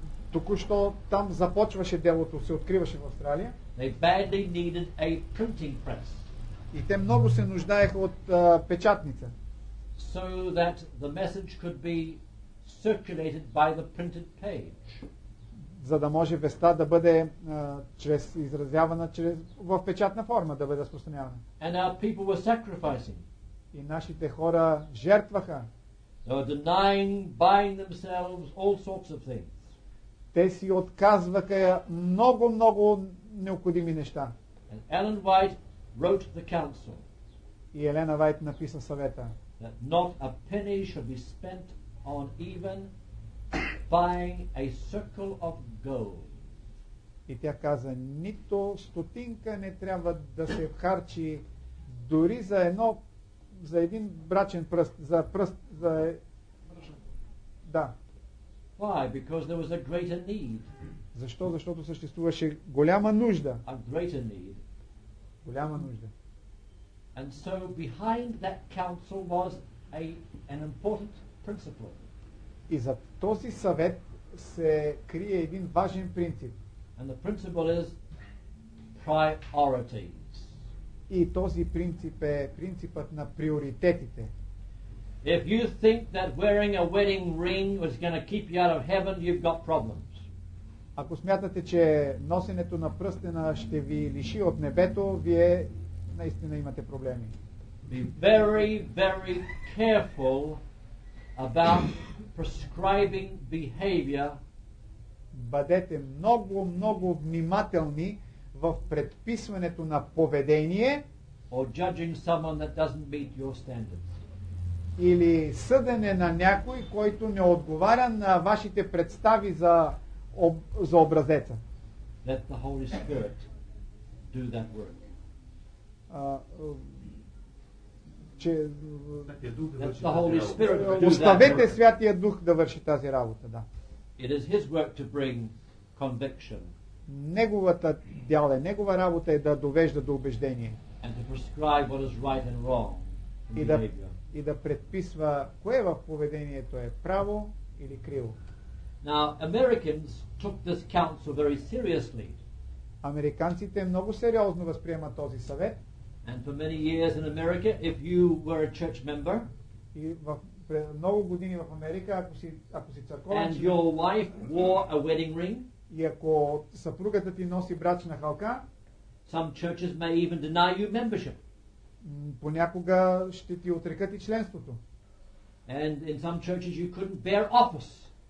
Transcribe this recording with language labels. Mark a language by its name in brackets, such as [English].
[Bulgarian] Току-що там започваше делото, се откриваше в Австралия. [English] They badly needed a printing press. [Bulgarian] И те много се нуждаеха от печатница. [English] So that the message could be circulated by the printed page. [Bulgarian] За да може веста да бъде чрез изразявана чрез в печатна форма да бъде разпространявана. [English] And our people were sacrificing. [Bulgarian] И нашите хора жертваха. [English] They were denying buying themselves all sorts of things. [Bulgarian] Те си отказваха много необходими неща. [English] And Ellen White wrote the council. [Bulgarian] И Елена Вайт написа съвета. [English] That not a penny should be spent on even buying a circle of gold. [Bulgarian] И тя каза, нито стотинка не трябва да се харчи дори за едно, за един брачен пръст, за пръст, за... Да. [English] Why? Because there was a greater need. [Bulgarian] Защо? Защото съществуваше голяма нужда. [English] A greater need. [Bulgarian] Голяма нужда. [English] And so behind that council was an important principle. [Bulgarian] И за този съвет се крие един важен принцип. [English] And the principle is priorities. [Bulgarian] И този принцип е принципът на приоритетите. [English] If you think that wearing a wedding ring was going to keep you out of heaven, you've got problems. [Bulgarian] Ако смятате, че носенето на пръстена ще ви лиши от небето, вие наистина имате проблеми. [English] Be very, very careful about prescribing behavior. [Bulgarian] Бъдете много внимателни в предписването на поведение [English] or judging someone that doesn't meet your standards. [Bulgarian] Или съдене на някой, който не отговаря на вашите представи за за образеца. [English] Let the Holy Spirit do that work. [Bulgarian] Оставете Святия Дух да върши тази работа, да. [English] It is his work to bring conviction. [Bulgarian] Неговата дял е, негова работа е да довежда до убеждение. [English] And to prescribe what is right and wrong. [Bulgarian] И да предписва кое в поведението е право или криво. [English] Now Americans took this council very seriously. [Bulgarian] Американците много сериозно възприемат този съвет. [English] And for many years in America, if you were a church member, [Bulgarian] и в много години в Америка, ако си църковен член, [English] and your wife wore a wedding ring, [Bulgarian] и ако съпругата ти носи брачна халка, [English] some churches may even deny you membership. [Bulgarian] Понякога ще ти отрекат и членството. [English] And in some churches you couldn't bear office.